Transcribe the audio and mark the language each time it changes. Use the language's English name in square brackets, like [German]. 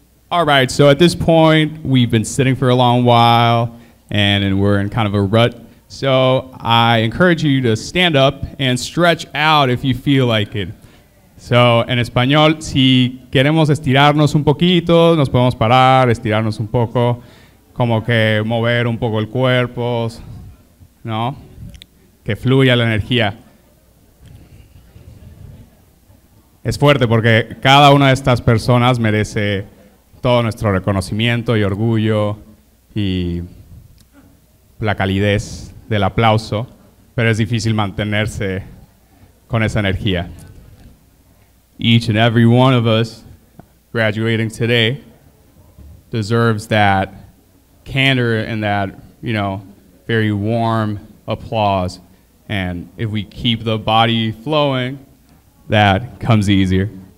[English] All right, so at this point, we've been sitting for a long while, and we're in kind of a rut. So I encourage you to stand up and stretch out if you feel like it. [Spanish] So en español, si queremos estirarnos un poquito, nos podemos parar, estirarnos un poco, como que mover un poco el cuerpo, ¿no? Que fluya la energía. Es fuerte porque cada una de estas personas merece todo nuestro reconocimiento y orgullo y la calidez del aplauso, pero es difícil mantenerse con esa energía. [English] Each and every one of us graduating today deserves that candor and that, you know, very warm applause. And if we keep the body flowing, that comes easier.